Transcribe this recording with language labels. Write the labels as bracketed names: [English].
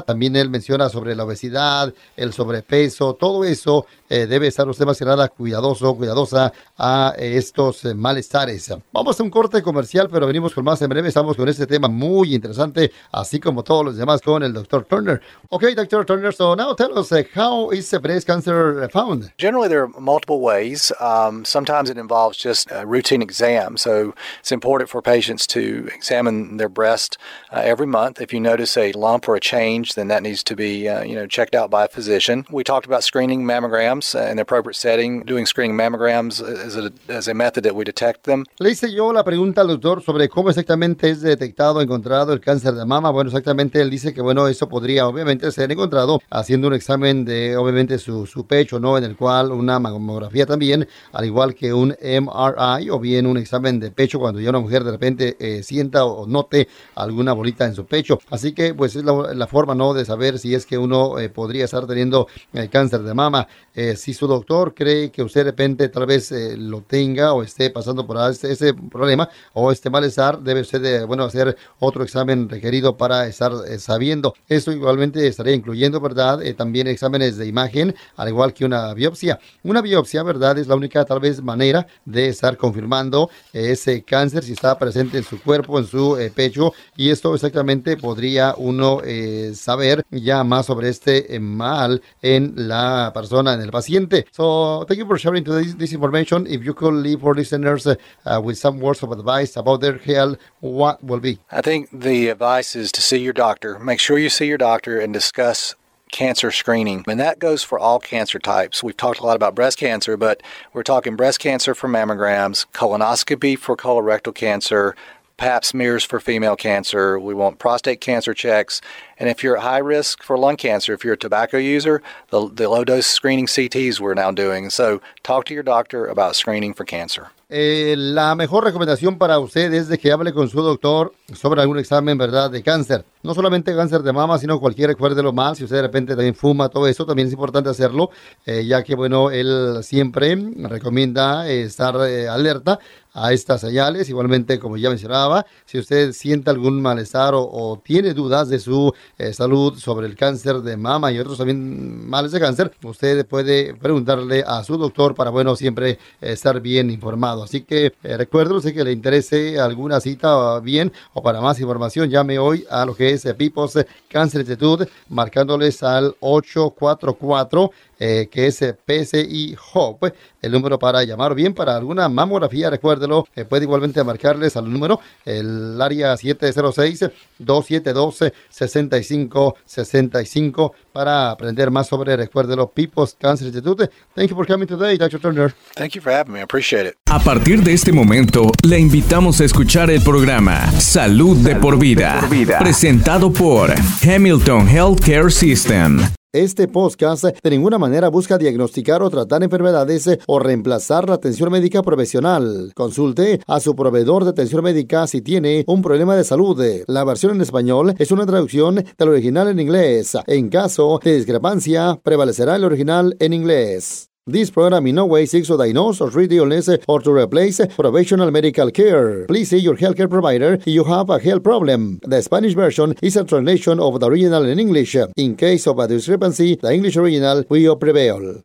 [Spanish] También él menciona sobre la obesidad, el sobrepeso, todo eso debe estar usted más que nada cuidadoso, cuidadosa a estos malestares. Vamos a un corte comercial, pero venimos con más en breve. Estamos con este tema muy interesante, así como todos los demás, con el Dr. [English] Turner. Okay, Dr. Turner, so now tell us, how is breast cancer found? Generally, there are multiple ways. Sometimes it involves just a routine exam. So it's important for patients to examine their breast every month. If you notice a lump or a change, then that needs to be checked out by a physician. We talked about screening mammograms in the appropriate setting. Doing screening mammograms is a method that we detect them. [Spanish] Le hice yo la pregunta al doctor sobre cómo exactamente es detectado, encontrado el cáncer de mama. Bueno, exactamente, él dice que, bueno, eso podría obviamente ser encontrado haciendo un examen de, obviamente, su pecho, ¿no?, en el cual una mamografía también, al igual que un MRI o bien un examen de pecho cuando ya una mujer de repente sienta o note alguna bolita en su pecho. Así que, pues, es la forma, ¿no?, de saber si es que uno podría estar teniendo cáncer de mama. Si su doctor cree que usted de repente tal vez lo tenga o esté pasando por ese problema o este malestar, debe usted hacer otro examen requerido para estar sabiendo. Eso igualmente estaría incluyendo, ¿verdad?, también exámenes de imagen, al igual que una biopsia. Una biopsia, ¿verdad?, es la única tal vez manera de estar confirmando ese cáncer, si está presente en su cuerpo, en su pecho, y esto exactamente podría uno saber ya más sobre este mal en la persona, en el paciente. [English] So, thank you for sharing this information. If you could leave our listeners with some words of advice about their health, what will be? I think the advice is to see your doctor. Make sure you see your doctor and discuss cancer screening. And that goes for all cancer types. We've talked a lot about breast cancer, but we're talking breast cancer for mammograms, colonoscopy for colorectal cancer, pap smears for female cancer. We want prostate cancer checks. And if you're at high risk for lung cancer, if you're a tobacco user, the low-dose screening CTs we're now doing. So talk to your doctor about screening for cancer. [Spanish] La mejor recomendación para usted es de que hable con su doctor sobre algún examen, ¿verdad?, de cáncer. No solamente cáncer de mama, sino cualquier, recuérdelo mal, si usted de repente también fuma, todo eso, también es importante hacerlo, ya que, bueno, él siempre recomienda estar alerta a estas señales. Igualmente, como ya mencionaba, si usted siente algún malestar o tiene dudas de su salud sobre el cáncer de mama y otros también males de cáncer, usted puede preguntarle a su doctor para, bueno, siempre estar bien informado. Así que recuérdelo, si que le interese alguna cita bien o para más información, llame hoy a lo que es PIPOS Cancer Institute, marcándoles al 844 que es PCI Hope, el número para llamar. Bien, para alguna mamografía, recuérdelo, puede igualmente marcarles al número, el área 706-272-6565, para aprender más sobre, recuérdelo, PIPOS Cancer Institute. [English] Thank you for coming today, Dr. Turner. Thank you for having me, I appreciate it. [Spanish] A partir de este momento, le invitamos a escuchar el programa Salud de por vida, presentado por Hamilton Healthcare System. Este podcast de ninguna manera busca diagnosticar o tratar enfermedades o reemplazar la atención médica profesional. Consulte a su proveedor de atención médica si tiene un problema de salud. La versión en español es una traducción del original en inglés. En caso de discrepancia, prevalecerá el original en inglés. [English] This program in no way seeks to diagnose or treat illness or to replace professional medical care. Please see your healthcare provider if you have a health problem. The Spanish version is a translation of the original in English. In case of a discrepancy, the English original will prevail.